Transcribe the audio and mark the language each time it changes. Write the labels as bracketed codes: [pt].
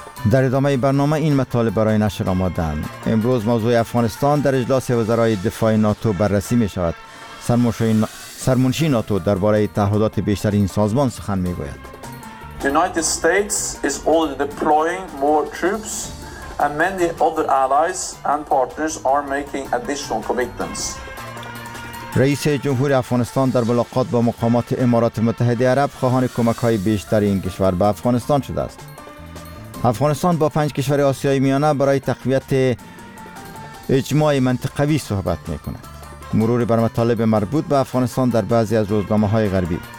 [fa] در ادامه برنامه این مطالب برای نشر آمادند. امروز موضوع افغانستان در اجلاس وزرای دفاع ناتو بررسی می شود. سرمنشی ناتو درباره تعهدات بیشتر این سازمان سخن می گوید. [en] United States is already deploying more troops and many other allies and partners are making additional commitments. [fa] رئیس جمهور افغانستان در ملاقات با مقامات امارات متحده عرب خواهان کمک‌های بیشتر این کشور به افغانستان شده است. افغانستان با 5 کشور آسیای میانه برای تقویت اجماع منطقوی صحبت می‌کند. مرور بر مطالب مربوط به افغانستان در بعضی از روزنامه‌های غربی.